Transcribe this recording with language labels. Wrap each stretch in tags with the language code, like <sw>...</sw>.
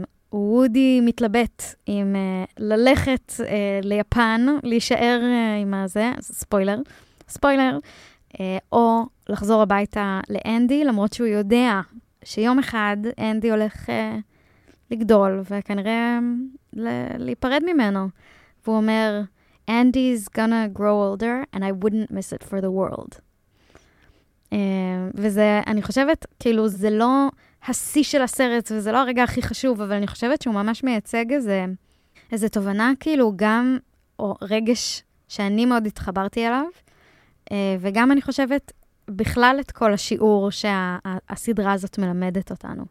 <he>שוודי מתלבט עם ללכת ליפן, להישאר עם הזה, ספוילר, או לחזור הביתה לאנדי, למרות שהוא יודע שיום אחד אנדי הולך לגדול, וכנראה להיפרד ממנו. והוא אומר,</he> <en>Andy's gonna grow older, and I wouldn't miss it for the world.</en> <he>וזה, אני חושבת, כאילו זה לא השיא של הסרט, וזה לא הרגע הכי חשוב, אבל אני חושבת שהוא ממש מייצג איזה תובנה, כאילו, גם, או רגש שאני מאוד התחברתי אליו, וגם אני חושבת בכלל את כל השיעור שהסדרה הזאת מלמדת אותנו.</he>